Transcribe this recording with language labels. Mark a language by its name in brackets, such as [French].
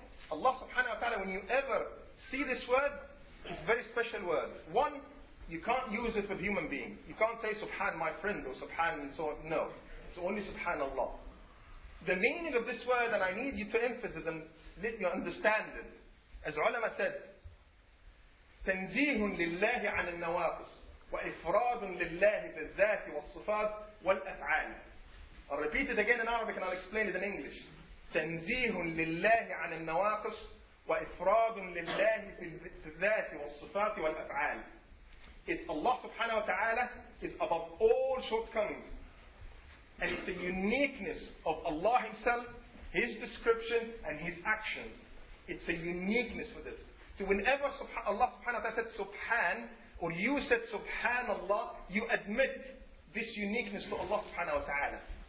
[English] Allah subhanahu wa ta'ala, when you ever see this word, it's a very special word. One, you can't use it with human being. You can't say Subhan my friend or Subhan and so on. No. It's only Subhanallah. The meaning of this word, and I need you to emphasize and let you understand it. As ulama said, [Arabic] تنزيه لله عن النواقص وإفراد لله بالذات والصفات والأفعال. [English] I'll repeat it again in Arabic and I'll explain it in English. [Arabic] تنزيه لله عن النواقص وإفراد لله بالذات والصفات والأفعال. [English] It's Allah subhanahu wa ta'ala is above all shortcomings. And it's the uniqueness of Allah himself, his description and his actions. It's a uniqueness for this. So whenever Allah subhanahu wa ta'ala said subhan or you said Subhanallah, you admit this uniqueness to Allah subhanahu wa ta'ala.